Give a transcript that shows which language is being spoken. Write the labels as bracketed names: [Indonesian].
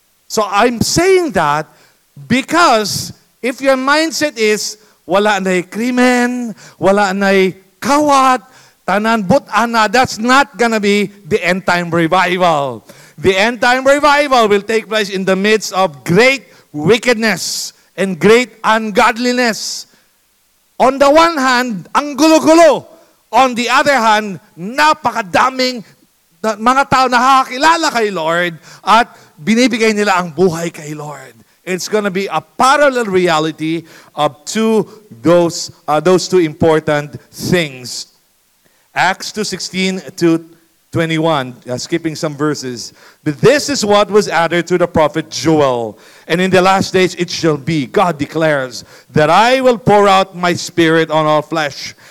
[English] So I'm saying that because if your mindset is, [Cebuano] wala na'y krimen, wala na'y kawat, tanan but ana, [English] that's not gonna be the end time revival. The end time revival will take place in the midst of great wickedness and great ungodliness. On the one hand, [Filipino] ang gulo-gulo. [English] On the other hand, [Filipino] napakadaming mga tao na nakakilala kay Lord at binibigay nila ang buhay kay Lord. [English] It's going to be a parallel reality of those two important things. Acts 2:16 to 21, skipping some verses. But this is what was added to the prophet Joel. And in the last days it shall be, God declares, that I will pour out my spirit on all flesh.